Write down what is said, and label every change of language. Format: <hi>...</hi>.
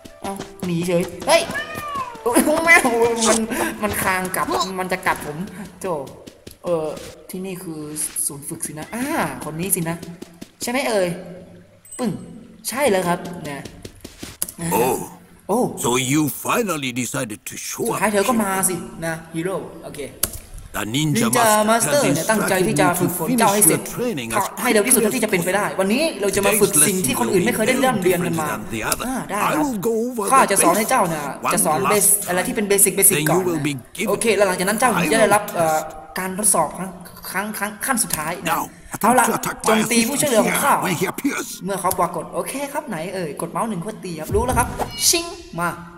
<th>าหนีเฉยเฮ้ยแมวมันคางกลับมันจะกัดผมโจที่นี่คือศูนย์ฝึกสินะคนนี้สินะใช่ไหมเอ่ยปึ้งใช่แล้วครับเนี่ย</th> <en>Oh, so you finally decided to show up.</en> <th>สุดท้ายเธอก็มาสินะฮีโร่โอเค</th> <en>The Ninja Master</en> <th>ตั้งใจที่จะฝึกฝนเจ้าให้เสร็จให้เร็วที่สุดที่จะเป็นไปได้วันนี้เราจะมาฝึกสิ่งที่คนอื่นไม่เคยได้เริ่มเรียนกันมาได้ข้าจะสอนให้เจ้านะจะสอนเบสอะไรที่เป็นเบสิกก่อนโอเคแล้วหลังจากนั้นเจ้าจะได้รับการทดสอบครั้งขั้นสุดท้ายเอาล่ะจงตีผู้ช่วยเหลือของข้าเมื่อเขาปรากฏโอเคครับไหนเอ่ยกดเมาส์หนึ่งเพื่อตีครับรู้แล้วครับชิงมา</th>